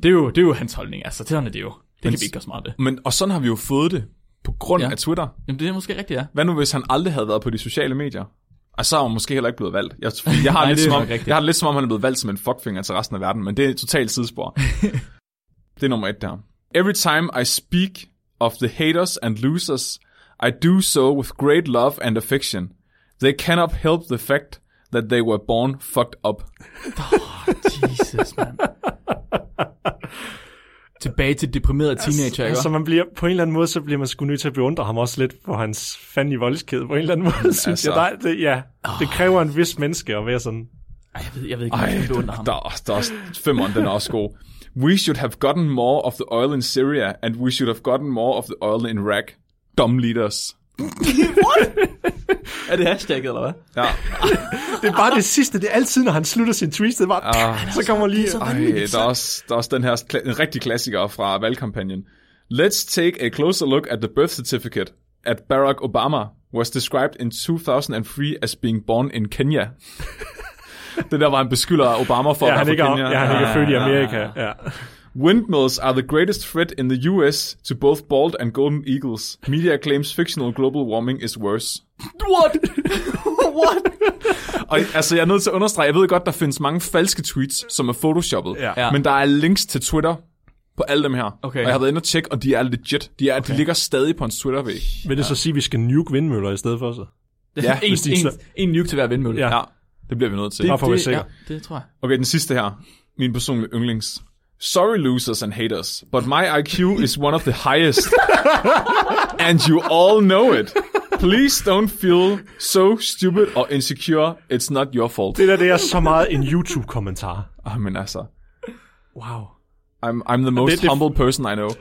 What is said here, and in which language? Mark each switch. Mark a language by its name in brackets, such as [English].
[Danish] Det er jo hans holdning, altså sådan er det jo. Det kan vi ikke gøre smart det. Men, og sådan har vi jo fået det på grund af Twitter. Jamen det er måske rigtigt, ja. Hvad nu, hvis han aldrig havde været på de sociale medier? Og så er han måske heller ikke blevet valgt. Jeg har, lidt som om, han er blevet valgt som en fuckfinger til resten af verden, men det er totalt sidespor. Det er nummer et der. [English] Every time I speak of the haters and losers, I do so with great love and affection. They cannot help the fact that they were born fucked up. Oh, Jesus, man. [Danish] Tilbage til deprimerede teenager, altså, man bliver på en eller anden måde, så bliver man sgu nødt til at beundre ham også lidt for hans fandme voldskæde på en eller anden måde, synes altså, jeg. Der, det, ja, det kræver en vis menneske at være sådan. Jeg ved ikke, hvordan jeg beundrer ham. Der er også femmeren, den er også god. [English] We should have gotten more of the oil in Syria, and we should have gotten more of the oil in Iraq. Dumb leaders. What? [Danish] Er det hashtagget, eller hvad? Ja. Det er bare det sidste. Det er altid, når han slutter sin tweet. Det er bare, så kommer lige. Der er også den her en rigtig klassiker fra valgkampagnen. [English] Let's take a closer look at the birth certificate at Barack Obama was described in 2003 as being born in Kenya. [Danish] Det der var, han beskylder Obama for at være fra Kenya. Ja, han ikke er født i Amerika. Ja. [English] Windmills are the greatest threat in the US to both bald and golden eagles. Media claims fictional global warming is worse. What? What? [Danish] Og, altså, jeg er nødt til at understrege, jeg ved godt, der findes mange falske tweets, som er photoshoppet. Ja. Men der er links til Twitter på alle dem her. Okay. Og jeg har været inde og tjekke, og de er legit. De, er, de ligger stadig på en Twitter-væg. Vil det så sige, at vi skal nuke vindmøller i stedet for så? Ja. en nuke til hver vindmølle. Ja. Ja. Det bliver vi nødt til. Det, vi sikker. Ja, det tror jeg. Okay, den sidste her. Min personlige yndlings. [English] Sorry losers and haters, but my IQ is one of the highest. And you all know it. Please don't feel so stupid or insecure. It's not your fault. [Danish] Det der, det er så meget en YouTube-kommentar. Jamen altså. Wow. [English] I'm the most humble person I know.